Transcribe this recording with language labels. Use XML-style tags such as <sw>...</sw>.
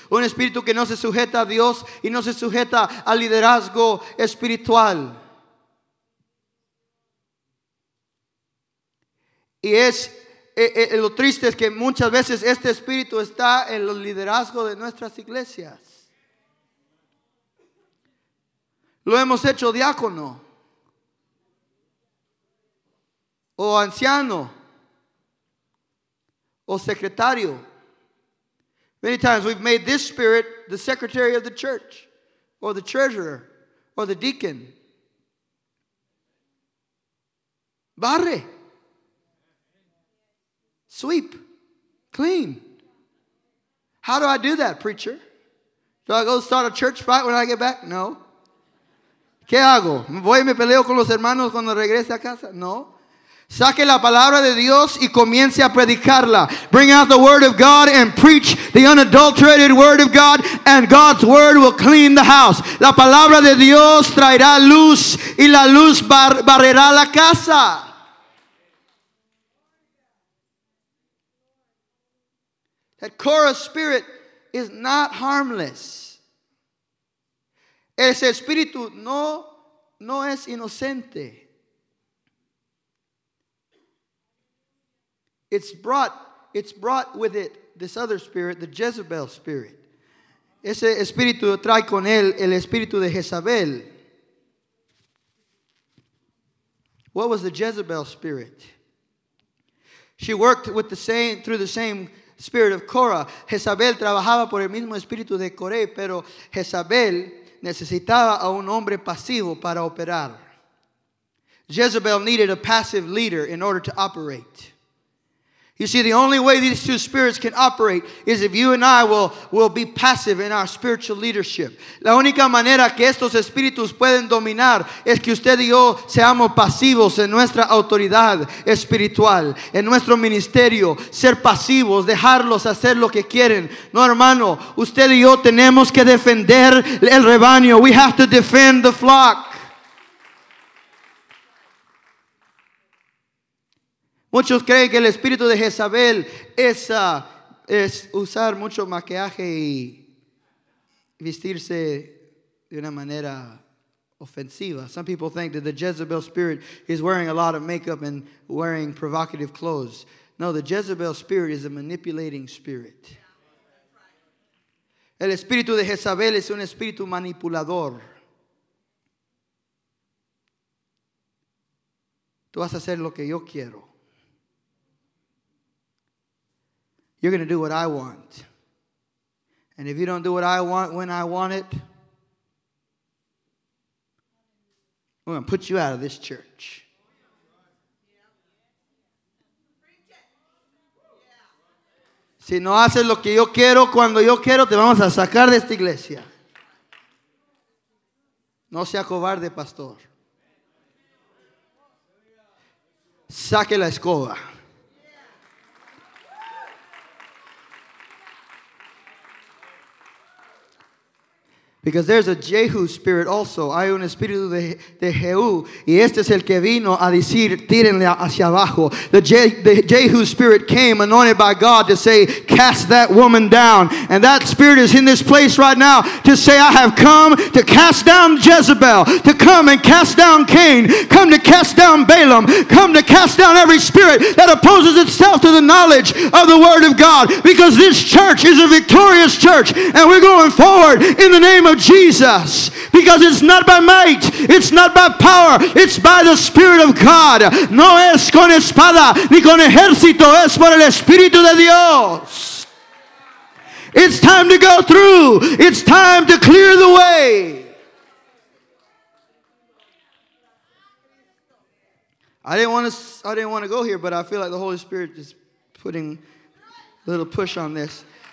<es>Un espíritu que no se sujeta a Dios y no se sujeta al liderazgo espiritual. Y es lo triste es que muchas veces este espíritu está en el liderazgo de nuestras iglesias. Lo hemos hecho diácono o anciano. O secretario.</es> <en>Many times we've made this spirit the secretary of the church, or the treasurer, or the deacon.</en> <es>Barre.</es> <en>Sweep. Clean. How do I do that, preacher? Do I go start a church fight when I get back? No.</en> <es>¿Qué hago? ¿Voy y me peleo con los hermanos cuando regrese a casa? No. Saque la palabra de Dios y comience a predicarla.</es> <en>Bring out the word of God and preach the unadulterated word of God, and God's word will clean the house.</en> <es>La palabra de Dios traerá luz y la luz barrerá la casa.</es> <en>That Korah spirit is not harmless.</en> <es>Ese espíritu no es inocente.</es> <en>It's brought with it this other spirit, the Jezebel spirit.</en> <es>Ese espíritu trae con él el espíritu de Jezabel.</es> <en>What was the Jezebel spirit? She worked with the same through the same spirit of Korah.</en> <es>Jezabel trabajaba por el mismo espíritu de Coré, pero Jezabel necesitaba a un hombre pasivo para operar.</es> <en>Jezebel needed a passive leader in order to operate. You see, the only way these two spirits can operate is if you and I will be passive in our spiritual leadership.</en> <es>La única manera que estos espíritus pueden dominar es que usted y yo seamos pasivos en nuestra autoridad espiritual, en nuestro ministerio, ser pasivos, dejarlos hacer lo que quieren. No, hermano, usted y yo tenemos que defender el rebaño.</es> <en>We have to defend the flock.</en> <es>Muchos creen que el espíritu de Jezabel es usar mucho maquillaje y vestirse de una manera ofensiva.</es> <en>Some people think that the Jezebel spirit is wearing a lot of makeup and wearing provocative clothes. No, the Jezebel spirit is a manipulating spirit.</en> <es>El espíritu de Jezabel es un espíritu manipulador. Tú vas a hacer lo que yo quiero.</es> <en>You're going to do what I want. And if you don't do what I want when I want it, I'm going to put you out of this church.</en> <es>Si no haces lo que yo quiero, cuando yo quiero, te vamos a sacar de esta iglesia. No sea cobarde, pastor. Saque la escoba.</es> <en>Because there's a Jehu spirit also.</en> <es>Hay un espíritu de Jehú. Y este es el que vino a decir, tírenle hacia abajo.</es> <en>The Jehu spirit came anointed by God to say, cast that woman down. And that spirit is in this place right now to say, I have come to cast down Jezebel. To come and cast down Cain. Come to cast down Balaam. Come to cast down every spirit that opposes itself to the knowledge of the word of God. Because this church is a victorious church. And we're going forward in the name of Jesus, because it's not by might, it's not by power, it's by the Spirit of God.</en> <es>No es con espada ni con ejército, es por el Espíritu de Dios.</es> <en>It's time to go through, it's time to clear the way. I didn't want to go here, but I feel like the Holy Spirit is putting a little push on this.</en>